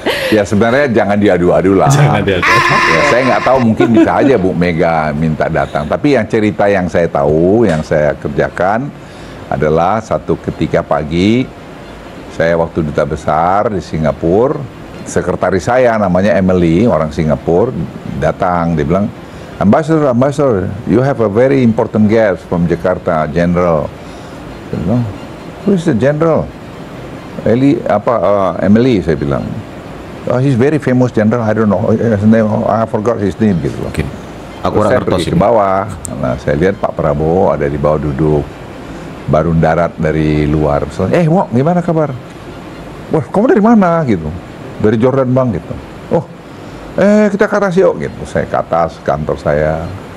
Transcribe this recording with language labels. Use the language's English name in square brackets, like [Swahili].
[Indonesian] Ya sebenarnya jangan diadu-adu lah. Ya, saya nggak tahu, mungkin bisa aja Bu Mega minta datang. Tapi yang cerita yang saya tahu, yang saya kerjakan adalah satu ketika pagi, saya waktu duta besar di Singapura, sekretaris saya namanya Emily, orang Singapura, datang. Dia bilang, [English] Ambassador, Ambassador, you have a very important guest from Jakarta, General. [Indonesian] Saya bilang, [English] who is the General? [Indonesian] Emily, saya bilang. [English] Oh, he's very famous general, I don't know his name, I forgot his name, [Indonesian] gitu loh. [English] Okay. [Indonesian] Saya pergi ke bawah, nah, saya lihat Pak Prabowo ada di bawah duduk, baru darat dari luar. Eh, Wok, gimana kabar? Wah, kamu dari mana? Gitu. Dari Jordan, Bang, gitu. Oh, kita ke atas yuk, gitu. Saya ke atas kantor saya.